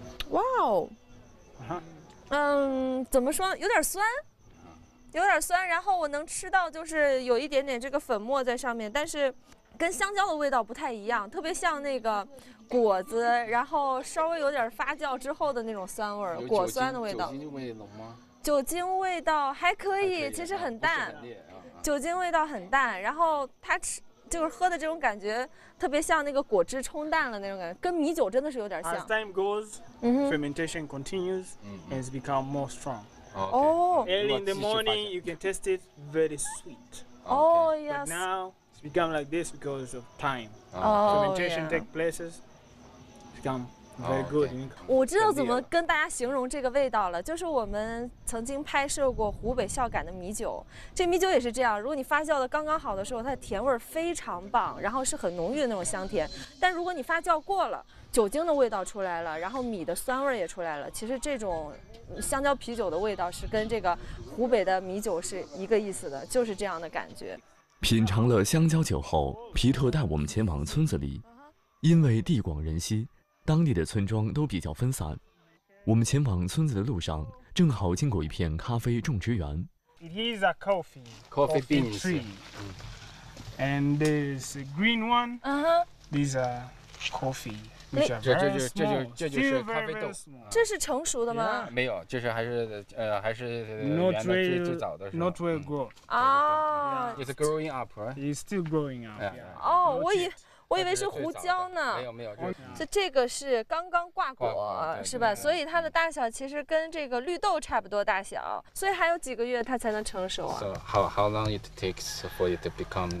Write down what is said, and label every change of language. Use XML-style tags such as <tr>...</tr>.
<zh>哇哦。怎么说，有点酸，有点酸，然后我能吃到就是有一点点这个粉末在上面，但是跟香蕉的味道不太一样，特别像那个果子，然后稍微有点发酵之后的那种酸味，果酸的味道。酒精味浓吗？酒精味道还可以，其实很淡，酒精味道很淡，然后它吃就是喝的这种感觉特别像那个果汁冲淡了那种感觉，跟米酒真的是有点像。</zh> <en>As time goes, fermentation continues and it's become more strong. Oh, okay. Early in the morning, you can taste it very sweet. Oh, yes. But now it's become like this because of time. Fermentation takes places, become very good.</en> <zh>我知道怎么跟大家形容这个味道了，就是我们曾经拍摄过湖北孝感的米酒，这米酒也是这样，如果你发酵的刚刚好的时候，它的甜味非常棒，然后是很浓郁的那种香甜，但如果你发酵过了，酒精的味道出来了，然后米的酸味也出来了，其实这种香蕉啤酒的味道是跟这个湖北的米酒是一个意思的，就是这样的感觉。品尝了香蕉酒后，皮特带我们前往村子里，因为地广人稀，当地的村庄都比较分散，我们前往村子的路上正好经过一片咖啡种植园。</zh> <en>It is a coffee bean tree. And this green one, these are coffee, which are very small.</en> <zh>这就是咖啡豆。这是成熟的吗？没有，就是还是原来最早的时候。</zh> <en>Not very grown. It's growing up, right? It's still growing up.</en> <zh>我以为是胡椒呢。没有没有，这个是刚刚挂果是吧，所以它的大小其实跟这个绿豆差不多大小，所以还有几个月它才能成熟啊。</zh> <en>So how long it takes for it to become</en>